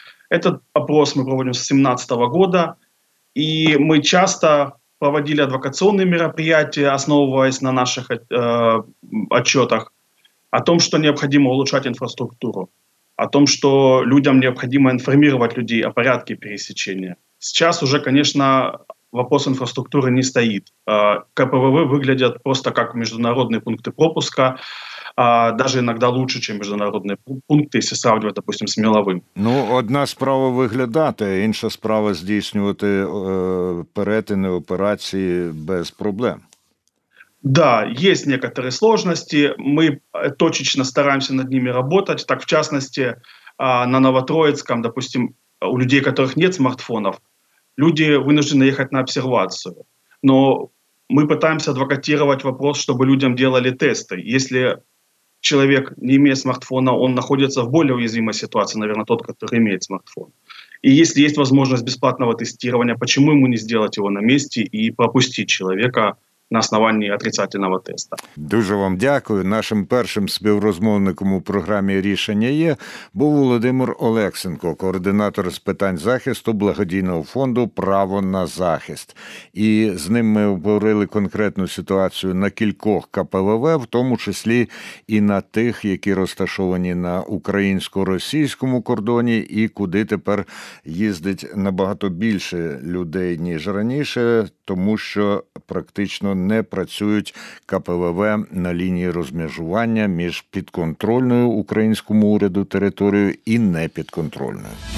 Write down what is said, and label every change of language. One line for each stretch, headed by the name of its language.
Russian: Этот опрос мы проводим с 2017 года, и мы часто проводили адвокационные мероприятия, основываясь на наших отчетах о том, что необходимо улучшать инфраструктуру, о том, что людям необходимо информировать людей о порядке пересечения. Сейчас уже, конечно, вопрос инфраструктуры не стоит. КПВВ выглядят просто как международные пункты пропуска, даже иногда лучше, чем международные пункты, если сравнивать, допустим, с меловым.
Ukrainian: Ну, одна справа виглядати, інша справа здійснювати перетини операції без проблем.
Russian: Да, есть некоторые сложности. Мы точечно стараемся над ними работать. Так, в частности, на Новотроицком, допустим, у людей, у которых нет смартфонов, люди вынуждены ехать на обсервацию. Но мы пытаемся адвокатировать вопрос, чтобы людям делали тесты. Если человек, не имея смартфона, он находится в более уязвимой ситуации, наверное, тот, который имеет смартфон. И если есть возможность бесплатного тестирования, почему ему не сделать его на месте и пропустить человека на основании отрицательного теста.
Ukrainian: Дуже вам дякую. Нашим першим співрозмовником у програмі «Рішення є» був Володимир Олексенко, координатор з питань захисту благодійного фонду «Право на захист». І з ним ми обговорили конкретну ситуацію на кількох КПВВ, в тому числі і на тих, які розташовані на українсько-російському кордоні і куди тепер їздить набагато більше людей, ніж раніше, тому що практично не працюють КПВВ на лінії розмежування між підконтрольною українському уряду територією і непідконтрольною.